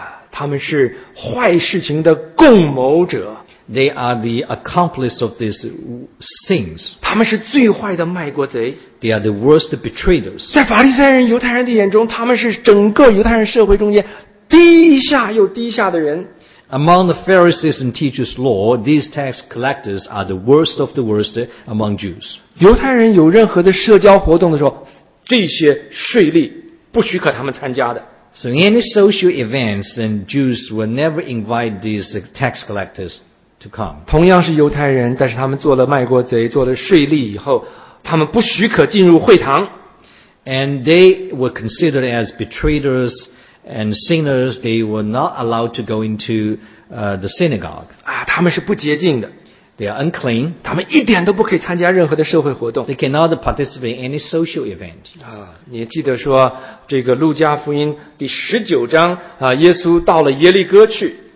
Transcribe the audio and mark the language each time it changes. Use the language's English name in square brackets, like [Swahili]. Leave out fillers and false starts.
[Chinese] 他们是坏事情的共谋者。 [English] They are the accomplice of these sins. [Chinese] 他们是最坏的卖国贼。 [English] They are the worst betrayers. [Chinese] 在法利赛人、犹太人的眼中，他们是整个犹太人社会中间低下又低下的人。 [English] Among the Pharisees and teachers of law, these tax collectors are the worst of the worst among Jews. [Chinese] 犹太人有任何的社交活动的时候，这些税吏不许可他们参加的。 [English] So in any social events, then Jews will never invite these tax collectors. To come. [Chinese] 同样是犹太人，但是他们做了卖国贼，做了税吏以后，他们不许可进入会堂。 [English] And they were considered as betrayers and sinners. They were not allowed to go into the synagogue. [Chinese] 啊，他们是不洁净的。 [English] They are unclean. [Chinese] 他们一点都不可以参加任何的社会活动。 [English] They cannot participate in any social event. [Chinese] 啊，你记得说这个路加福音第十九章啊，耶稣到了耶利哥去。